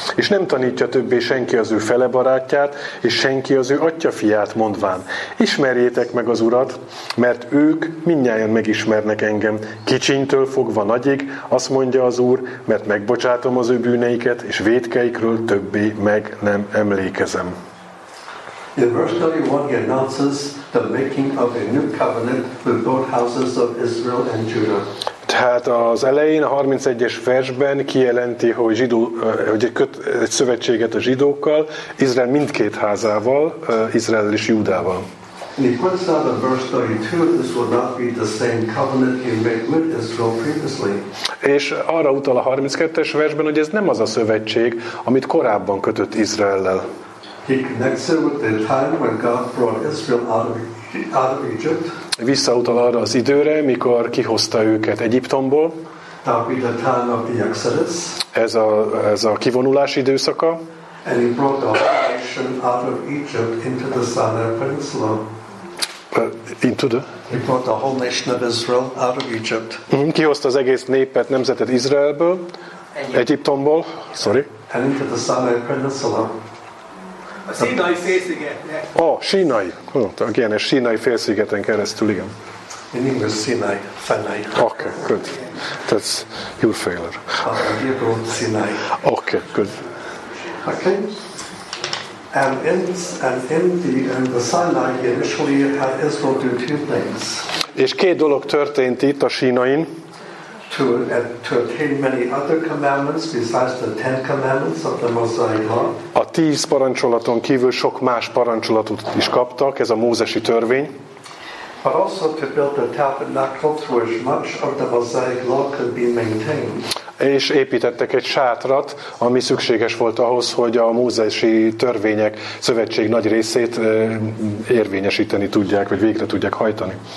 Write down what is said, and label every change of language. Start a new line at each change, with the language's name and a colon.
Hungarian: És nem tanítja többé senki az ő fele barátját, és senki az ő atya fiát mondván. Ismerjétek meg az Urat, mert ők mindnyájan megismernek engem, kicsinytől fogva nagyig, azt mondja az Úr, mert megbocsátom az ő bűneiket, és vétkeikről többé meg nem emlékezem.
English: In verse 31 he announces the making of a new covenant with both houses of Israel and Judah.
Hungarian: Tehát az elején a 31-es versben kijelenti, hogy zsidó, hogy egy szövetséget a zsidókkal, Izrael mindkét házával, Izrael és Júdával.
English: And he points out in verse 32, this will not be the same covenant he made with Israel previously.
Hungarian: És arra utal a 32-es versben, hogy ez nem az a szövetség, amit korábban kötött Izraellel.
English: He connects it with the time when God brought Israel out of Egypt.
Hungarian: Visszautal arra az időre, mikor kihozta őket Egyiptomból.
English: That would be the time of the Exodus.
Hungarian: Ez a kivonulás időszaka.
English: And he brought the whole nation out of Egypt into the Sinai Peninsula. He brought the whole nation of Israel out of Egypt.
Hungarian: Kihozta az egész népet, nemzetet Izraelből, Egyiptomból,
English: And into the Sinai Peninsula.
Hungarian: A Sínai félsziget. Sínai. Igen, a Sínai félszigeten keresztül, igen.
English: In English, Sinai, Fenai. Okay, good. That's your failure. Hebrew, Sinai. Okay, good. Okay. And in the Sinai, he initially had Israel do two things.
Hungarian: És két dolog történt itt a Sínain.
English: To obtain many other commandments besides the Ten Commandments of the Mosaic Law.
Hungarian: A 10 parancsolaton kívül sok más parancsolatot is kaptak, ez a mózesi törvény.
English: But also to build the tabernacle through which much of the Mosaic Law could be maintained.
Hungarian: És építettek egy sátrat, ami szükséges volt ahhoz, hogy a mózesi törvények szövetség nagy részét érvényesíteni tudják, vagy végre tudják hajtani.